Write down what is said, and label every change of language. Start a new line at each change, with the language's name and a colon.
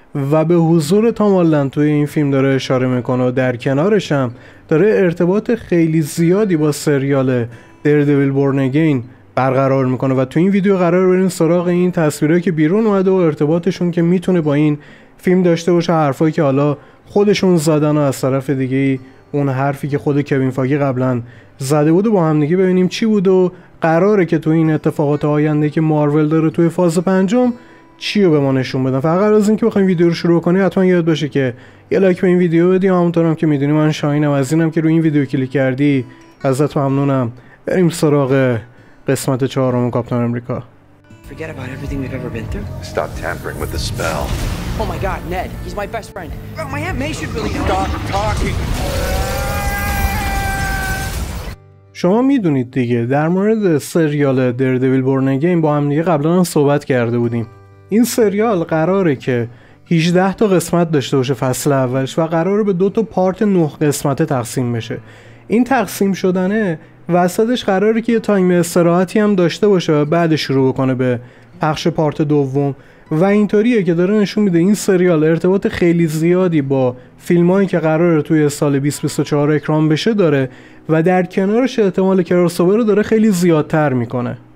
Persian: و به حضور تام هالند توی این فیلم داره اشاره میکنه و در کنارش هم داره ارتباط خیلی زیادی با سریال دردویل بورن اگین برقرار میکنه و تو این ویدیو قرار بریم سراغ این تصویرهایی که بیرون اومده و ارتباطشون که میتونه با این فیلم داشته باشه، حرفایی که حالا خودشون زدن و از طرف دیگه اون حرفی که خود کوین فاگی قبلا زده بود و با هم دیگه ببینیم چی بود و قراره که تو این اتفاقات آینده که مارول داره توی فاز پنجم چی رو به ما نشون بدن. فقط از اینکه بخوایم ویدیو رو شروع کنیم حتما یاد باشه که یه لایک به این ویدیو بدی. همونطورم که میدونی من شاهینم، از اینم که روی این ویدیو کلیک کردی ازت ممنونم. بریم سراغ قسمت چهارم کاپیتان امریکا.
English: Forget about everything we've ever been through. Stop tampering with the spell. Oh my God, Ned, he's my best friend. Oh, my Aunt May should really stop talking.
Persian: شما میدونید دیگه در مورد سریال دردویل بورن اگین با هم دیگه قبلا هم صحبت کرده بودیم. این سریال قراره که 18 تا قسمت داشته باشه فصل اولش و قراره به دو تا پارت 9 قسمته تقسیم بشه. این تقسیم شدنه وسطش قراره که یه تایم استراحتی هم داشته باشه و بعد شروع بکنه به پخش پارت دوم و اینطوریه که داره نشون میده این سریال ارتباط خیلی زیادی با فیلمایی که قراره توی سال 2024 اکران بشه داره و در کنارش احتمال کراسوور رو داره خیلی زیادتر میکنه.